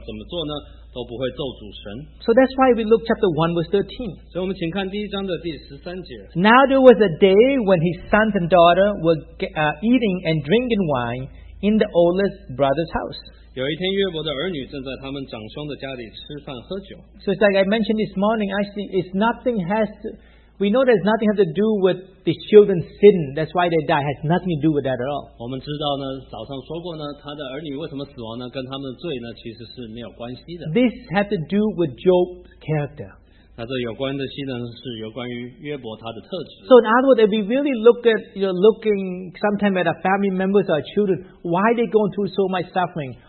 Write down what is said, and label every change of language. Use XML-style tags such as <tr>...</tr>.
<zh>然后在这里呢,他就永远的呢,他不管怎么做呢,都不会咒诅神。</zh> <en>So that's why we look chapter 1 verse 13.</en> <zh>所以我们请看第一章的第13节。</zh> <en>Now there was a day when his sons and daughter were eating and drinking wine in the oldest brother's house.</en> <zh>有一天约伯的儿女正在他们长兄的家里吃饭喝酒。</zh> <en>So it's like I mentioned this morning, actually, it's nothing has to... We know there's nothing has to do with the children's sin. That's why they die. It has nothing to do with that at all.</en> <zh>我们知道呢，早上说过呢，他的儿女为什么死亡呢？跟他们的罪呢，其实是没有关系的。</zh> <en>This has to do with Job's character.</en> <zh>那这有关的戏呢，是有关于约伯他的特质。</zh> <en>So in other words, if we really look at, you know, looking sometimes at our family members or children, why are they going through so much suffering?</en>